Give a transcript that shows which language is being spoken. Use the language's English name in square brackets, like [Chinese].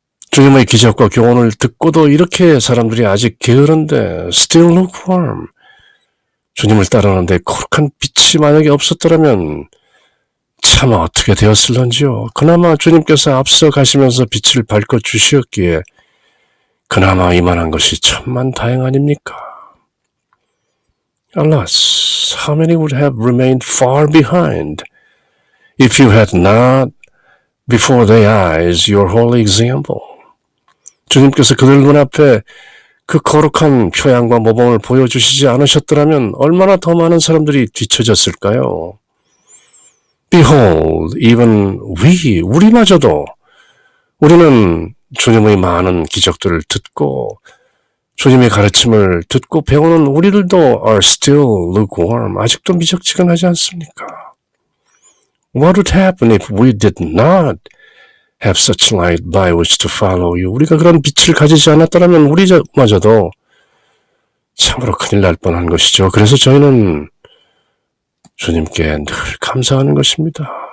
[Korean] 주님의 기적과 교훈을 듣고도 이렇게 사람들이 아직 게으른데 [English] still lukewarm. [Korean] 주님을 따르는데 거룩한 빛이 만약에 없었더라면 차마 어떻게 되었을런지요. 그나마 주님께서 앞서 가시면서 빛을 밝혀 주셨기에 그나마 이만한 것이 천만다행 아닙니까? [English] Alas, how many would have remained far behind if you had not before their eyes your holy example? [Korean] 주님께서 그들 눈앞에 그 거룩한 표양과 모범을 보여주시지 않으셨더라면 얼마나 더 많은 사람들이 뒤처졌을까요? [English] Behold, even we, [Korean] 우리마저도 우리는 주님의 많은 기적들을 듣고 주님의 가르침을 듣고 배우는 우리들도 [English] are still lukewarm. [Korean] 아직도 미적지근하지 않습니까? [English] What would happen if we did not have such light by which to follow you? [Korean] 우리가 그런 빛을 가지지 않았더라면 우리마저도 참으로 큰일 날 뻔한 것이죠. 그래서 저희는 주님께 늘 감사하는 것입니다.